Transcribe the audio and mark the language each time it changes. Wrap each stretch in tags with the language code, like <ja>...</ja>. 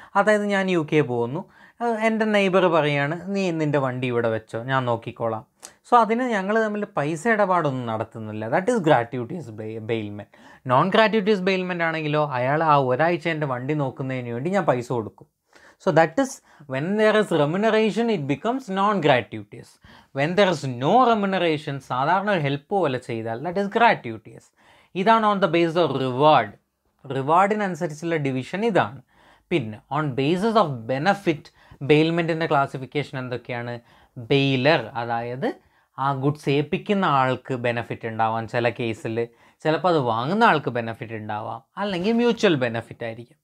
<ml>അതായത് ഞാൻ U K പോകുന്നു, എൻ്റെ നെയ്ബർ പറയുകയാണ് നീ നിൻ്റെ വണ്ടി ഇവിടെ വെച്ചോ, ഞാൻ നോക്കിക്കോളാം. സോ അതിന് ഞങ്ങൾ തമ്മിൽ പൈസ ഇടപാടൊന്നും നടത്തുന്നില്ല.</ml> <en>That is gratuitous bailment.</en> <ml>Non ഗ്രാറ്റ്യൂട്ടീസ് bailment ആണെങ്കിലോ, അയാൾ ആ ഒരാഴ്ച എൻ്റെ വണ്ടി നോക്കുന്നതിന് വേണ്ടി ഞാൻ പൈസ കൊടുക്കും.</ml> <en>So that is, when there is remuneration, it becomes non-gratuitous. When there is no remuneration,</en> <ml>സാധാരണ ഒരു ഹെൽപ്പ് പോലെ ചെയ്താൽ,</ml> <en>that is gratuitous.</en> <ml>ഇതാണ്</ml> <en>On the base of reward.</en> <ml>റിവാർഡിനനുസരിച്ചുള്ള division ഇതാണ്. പിന്നെ on basis of benefit ബെയിൽമെൻറ്റിൻ്റെ classification എന്തൊക്കെയാണ്? ബെയിലർ, അതായത് ആ ഗുഡ്സ് ഏൽപ്പിക്കുന്ന ആൾക്ക് ബെനഫിറ്റ് ഉണ്ടാവാം ചില കേസിൽ, ചിലപ്പോൾ അത് വാങ്ങുന്ന ആൾക്ക് ബെനഫിറ്റ് ഉണ്ടാവാം, അല്ലെങ്കിൽ മ്യൂച്വൽ ബെനഫിറ്റ് ആയിരിക്കും.</ml>